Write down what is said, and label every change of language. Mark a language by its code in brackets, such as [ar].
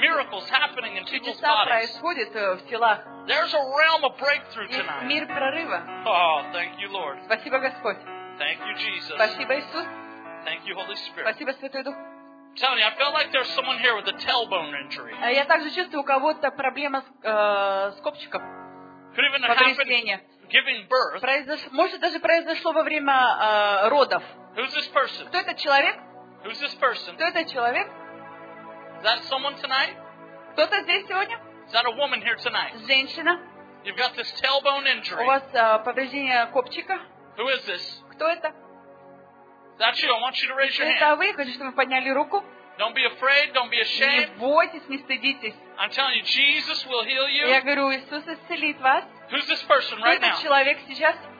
[en] Miracles happening in people's bodies. There's a realm of breakthrough tonight. Oh, thank you, Lord. [ru] Спасибо, Господь. [en] Thank you, Jesus. [ru] Спасибо, Иисус. [en] Thank you, Holy Spirit. [ru] Спасибо, Святой Дух. [en] I'm telling you, I felt like there's someone here with a tailbone injury. [ru] Я также чувствую, у кого-то проблема с копчиком. [en] Could even happen giving birth. [ru] Может даже произошло во время родов. [en] Who's this person? [ru] Кто этот человек? [en] Who's this person? [ru] Кто этот человек? [en] Is that someone tonight? [ru] Кто-то здесь сегодня? [en] Is that a woman here tonight? [ru] Женщина. [en] You've got this tailbone injury. [ru] У вас повреждение копчика. [en] Who is this? [ru] Кто это? [en] Is that you? I want you to raise your hand. [ru] Это вы? Хочу, чтобы вы подняли руку. [en] Don't be afraid. Don't be ashamed. [ru] Не бойтесь, не стыдитесь. [en] I'm telling you, Jesus will heal you. [ru] Я говорю, Иисус исцелит вас. [en] Who's this person right now? [ru] Кто этот человек сейчас?